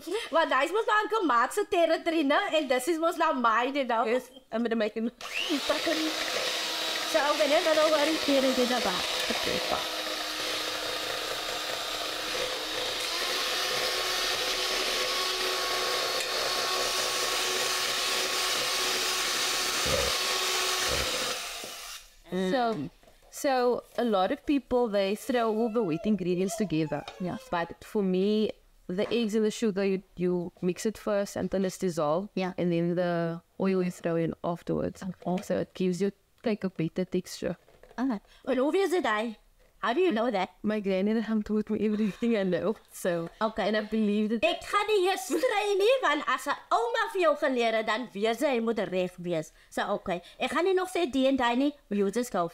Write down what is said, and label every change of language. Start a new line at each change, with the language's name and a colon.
Afrikaans: Want dat is ons nou een gemaakt territory, ne? En dit is ons nou mine,
English: you know? Yes. I'm gonna make an. So I'm gonna go over here and do the back. So a lot of people, they throw all the wheat ingredients together. Yes. But for me, the eggs and the sugar, you mix it first until it's dissolved. Yeah. And then the oil you throw in afterwards. Okay. So it gives you like a better texture. Well, obviously, how do you know that? My granny had taught me everything I know. So, okay. And I believe that.
Afrikaans: Ek gaan nie eers strei nie, want as 'n ouma vir jou geleer het, dan weet sy jy moet reg wees. So, okay. Ek gaan nie nog sê die en die nie,
English: we'll just go.